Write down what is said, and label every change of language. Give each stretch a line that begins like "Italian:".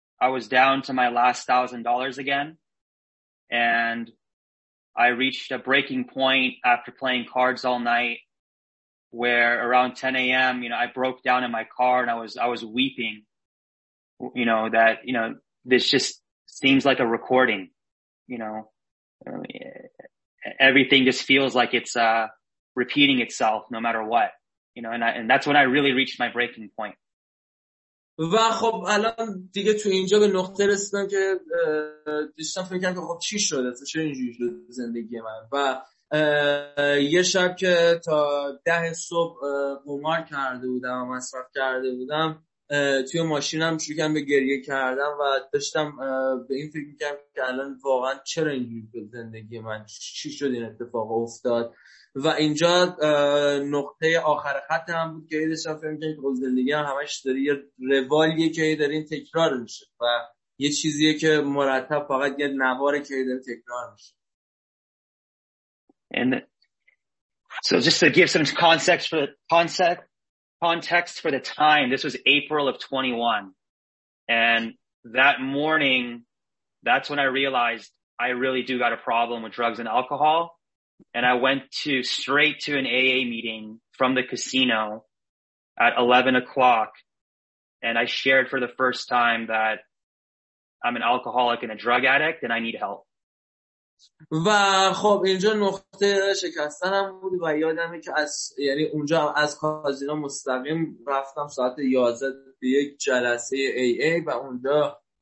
English: I was down to my last $1,000 again. And I reached a breaking point after playing cards all night where around 10 a.m., you know, I broke down in my car and I was weeping, you know, that, you know, this just seems like a recording, you know, everything just feels like it's, repeating itself no matter what, you know, and that's when I really reached my breaking point.
Persian: و خب الان دیگه تو اینجا به نقطه رسیدم که داشتم فکر می‌کردم خب چی شد، چه اینجوری شد زندگی من. و یه شب که تا 10 صبح قمار کرده بودم و مصرف کرده بودم، توی ماشینم شروع کردم به گریه کردم و داشتم به این فکر می‌کردم که الان واقعا چرا اینجوری شد زندگی من، چی شد این اتفاق افتاد. و اینجا نقطه آخر خط هم بود که داشتم فکر می‌کردم که زندگی هم همش داره یه روالیه که داره این تکرار میشه و یه چیزیه که مرتب فقط یه نواره که داره تکرار میشه.
English: And so just to give some context for the time, this was April of 21 and that morning that's when I realized I really do got a problem with drugs and alcohol. And I went straight to an AA meeting from the casino at 11 o'clock. And I shared for the first time that I'm an alcoholic and a drug addict and I need help.
Persian: و خب اینجا نقطه شکستن هم بود و یادمه که از یعنی اونجا از کازینو مستقیم رفتم ساعت 11 به یک جلسه AA و اونجا